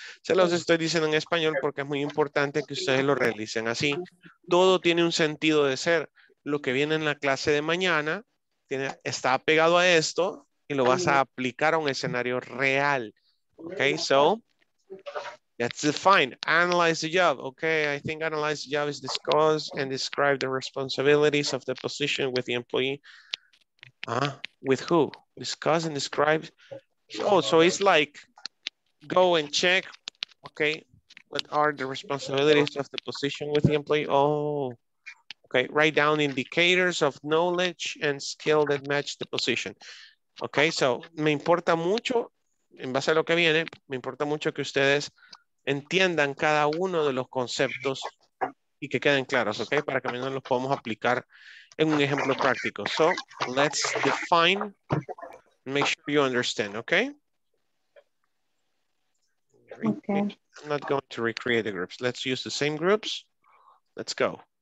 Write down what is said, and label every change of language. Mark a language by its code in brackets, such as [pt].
[es] Se los estoy diciendo en español porque es muy importante que ustedes lo realicen así. Todo tiene un sentido de ser. Lo que viene en la clase de mañana tiene, está apegado a esto y lo vas a aplicar a un escenario real. [en] Okay, so that's defined. Analyze the job. Okay, I think analyze the job is discuss and describe the responsibilities of the position with the employee. With who? Discuss and describe. Oh, so it's like go and check. Okay, what are the responsibilities of the position with the employee? Oh. Okay, write down indicators of knowledge and skill that match the position. [es] Okay, so me importa mucho, en base a lo que viene, me importa mucho que ustedes entiendan cada uno de los conceptos y que queden claros, okay, para que no los podamos aplicar en un ejemplo práctico. [en] So, let's define, make sure you understand, okay? Okay. I'm not going to recreate the groups. Let's use the same groups. Let's go.